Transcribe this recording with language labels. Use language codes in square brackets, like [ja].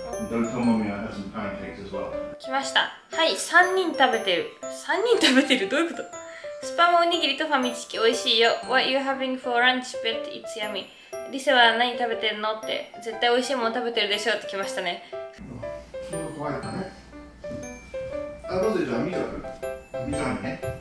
[en] Don't tell mommy I have some pancakes as well. [ja] 来ました。はい、3人食べてる。 3人食べてる、どういうこと。スパムおにぎりとファミチキ、おいしいよ。 [en] What you having for lunch, but it's yummy. [ja] リセは何食べてるのって、絶対おいしいもの食べてるでしょって来ましたね。怖いかね。あ、ロゼちゃん、ミラクル、ミラクルね。